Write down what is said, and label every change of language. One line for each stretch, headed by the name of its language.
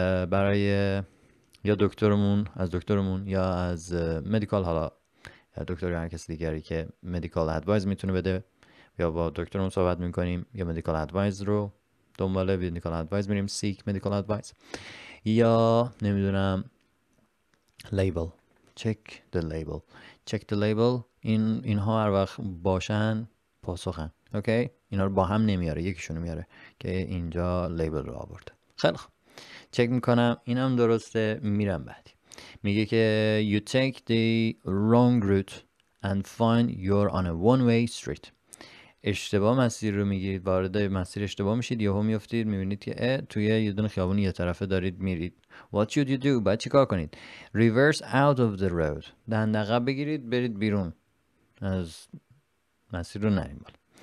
Persian: برای یا دکترمون، از دکترمون یا از مدیکال، حالا دکتر یا هر کس دیگری که مدیکال ادوایز میتونه بده، یا با دکترمون صحبت میکنیم یا مدیکال ادوایز رو دنبال مدیکال ادوایز میریم، سیک مدیکال ادوایز، یا نمیدونم لیبل،
English: check the label.
Persian: اینها هر وقت باشن پاسخن. اوکی؟ اینا رو با هم نمیاره، یکیشونو میاره که اینجا لیبل رو آورد. خیلی خب، چک میکنم اینم درسته، میرم بعدی. میگه که
English: you take the wrong route and find you're on a one-way street.
Persian: اشتباه مسیر رو میگید، وارد مسیر اشتباه میشید، یهو میافتید میبینید که توی یه دونه خیابون یه طرفه دارید میرید.
English: What should you do?
Persian: باید چی کار کنید؟
English: Reverse out of the road.
Persian: دند عقب بگیرید برید بیرون از مسیر رو نریم بالا.